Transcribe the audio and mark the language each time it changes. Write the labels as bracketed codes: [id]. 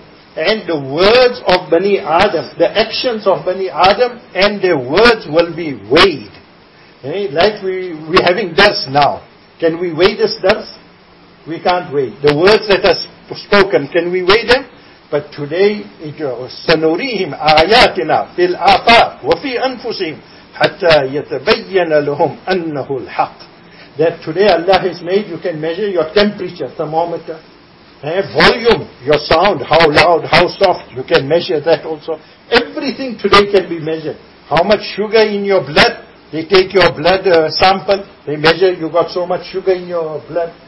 [en] And the words of Bani Adam, the actions of Bani Adam and their words will be weighed. Like we having dars now. Can we weigh this dars? We can't weigh. The words that are spoken, can we weigh them? But today, [ar] سَنُرِيهِمْ آيَاتِنَا فِي الْآفَاقِ وَفِي أَنفُسِهِمْ حَتَّى يَتَبَيَّنَ لَهُمْ أَنَّهُ الْحَقِّ. [en] That today Allah has made, you can measure your temperature, thermometer, volume, your sound, how loud, how soft, you can measure that also. Everything today can be measured. How much sugar in your blood, they take your blood sample, they measure, you got so much sugar in your blood.